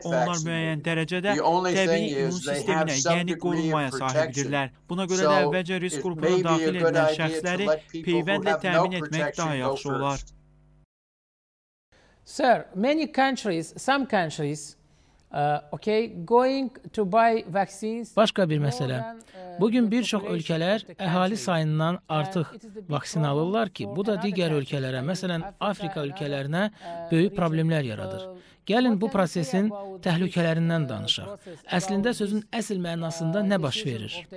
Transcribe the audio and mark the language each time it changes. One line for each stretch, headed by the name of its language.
Azerbaijani: Onlar müəyyən dərəcədə təbii immun sisteminə, yəni qorunmaya sahibdirlər. Buna görə də əvvəlcə risk qrupuna daxil edilən şəxsləri peyvəndlə təmin etmək daha yaxşı olar.
English: Sir, many countries, some countries, okay, going to buy vaccines.
Azerbaijani: Başka bir məsələ. Bugün bir çox ölkələr əhali sayından artıq vaksin alırlar ki, bu da digər ölkələrə, məsələn Afrika ölkələrinə böyük problemlər yaradır. Gəlin bu prosesin təhlükələrindən danışaq. Əslində sözün əsl mənasında nə baş verir?